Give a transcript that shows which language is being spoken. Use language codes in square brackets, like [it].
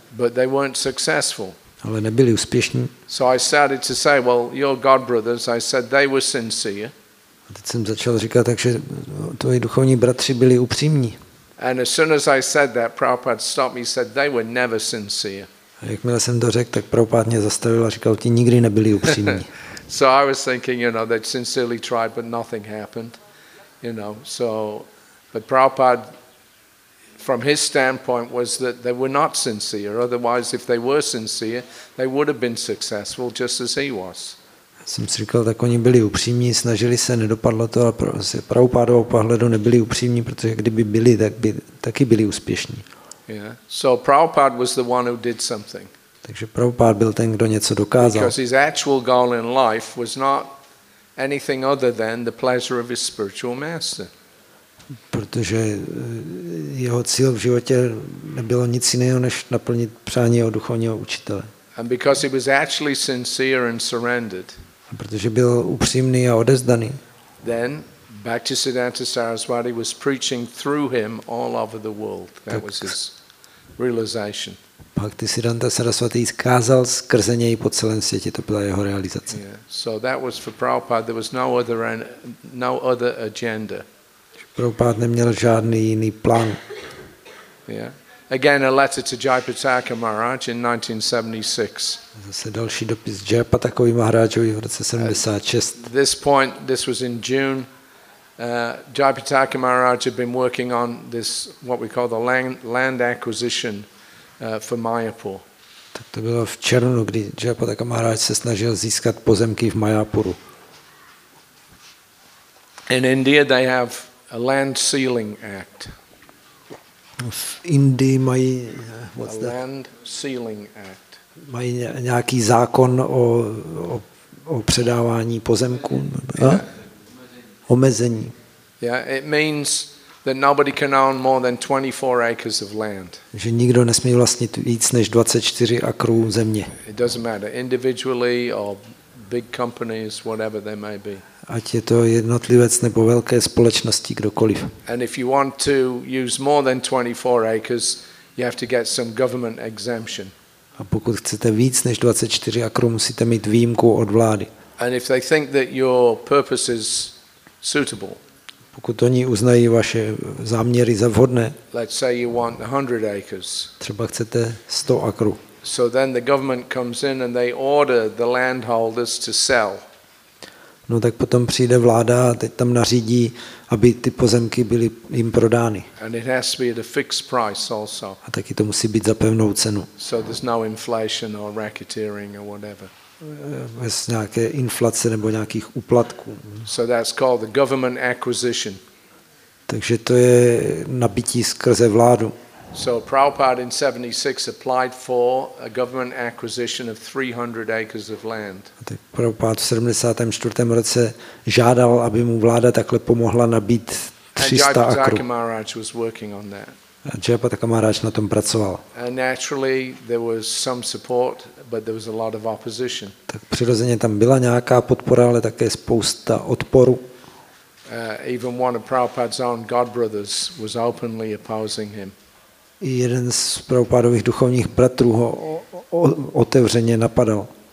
[en] But they weren't successful. [cs] Ale nebyli úspěšní. [en] So I started to say, well, your god brothers, I said they were sincere. [cs] A teď jsem začal říkat, takže tvoji duchovní bratři byli upřímní. [en] And as soon as I said that, Prabhupada stopped me, said they were never sincere. [cs] A jakmile jsem to řekl, tak Prabhupada mě zastavil a říkal, ti nikdy nebyli upřímní. [en] So I was thinking, you know, they sincerely tried, but nothing happened, you know. So, but Prabhupada, from his standpoint, was that they were not sincere. Otherwise, if they were sincere, they would have been successful, just as he was. [cs] Jsem si říkal, tak oni byli upřímní, snažili se, nedopadlo to a z Prabhupádovou pohledu nebyli upřímní, protože kdyby byli, tak by taky byli úspěšní. [en] Yeah. So Prabhupada was the one who did something. [cs] Takže Prabhupada byl ten, kdo něco dokázal. [en] Because his actual goal in life was not anything other than the pleasure of his spiritual master. [cs] Protože jeho cíl v životě nebylo nic jiného, než naplnit přání jeho duchovního učitele. [en] And because he was actually sincere and surrendered. [cs] A protože byl upřímný a odezdaný. [en] Then Bhaktisiddhanta Saraswati was preaching through him all over the world. That was his realization. [cs] Bhaktisiddhanta Sarasvati kázal skrze něj po celém světě, to byla jeho realizace. [en] Yeah. So that was for Prabhupada, there was no other agenda. [cs] Prabhupada neměl žádný jiný plán. [en] Yeah. Again a letter to Jayaprataka Maharaj in 1976. [cs] Zase další dopis Jayaprataka Maharajovi v roce 76. [en] This was in June. Jayaprataka Maharaj had been working on this what we call the land acquisition for Mayapur. [cs] Tak to bylo v červnu, kdy Jayaprataka Maharaj se snažil získat pozemky v Mayapuru. [en] In India they have a land sealing act. [cs] V Indii mají [en] Land Sealing Act. [cs] Mají nějaký zákon o předávání pozemků, omezení. [en] Yeah, it means that nobody can own more than 24 acres of land. [cs] Že nikdo nesmí vlastnit víc než 24 akrů země. [en] It doesn't matter individually or big companies, whatever they may be. [cs] Ať je to jednotlivec nebo velké společnosti, kdokoliv. [en] And if you want to use more than 24 acres, you have to get some government exemption. [cs] A pokud chcete víc než 24 akrů, musíte mít výjimku od vlády. [en] And if they think that your purpose is suitable. [cs] Pokud oni uznají vaše záměry za vhodné. [en] Let's say you want 100 acres. [cs] Třeba chcete 100 akrů. [en] So then the government comes in and they order the landholders to sell. [cs] No tak potom přijde vláda a teď tam nařídí, aby ty pozemky byly jim prodány. [en] And it has to be at a fixed price also. [cs] A taky to musí být za pevnou cenu. [en] So there's no inflation or racketeering or whatever. [cs] Bez nějaké inflace nebo nějakých úplatků. [en] So that's called the government acquisition. [cs] Takže to je nabytí skrze vládu. [en] So Prabhupada in 76 applied for a government acquisition of 300 acres of land. [cs] Tak Prabhupada v 74. roce žádal, aby mu vláda takhle pomohla nabít 300 akrů. [en] Jayaprataka Maharaj was working on that. [cs] Jayaprataka Maharaj na tom pracoval. [en] And naturally there was some support, but there was a lot of opposition. [cs] Tak přirozeně tam byla nějaká podpora, ale také spousta odporu. [en] Even one of Prabhupada's own godbrothers was openly opposing him. [cs] I jeden z Prabhupádových duchovních bratrů ho otevřeně napadal.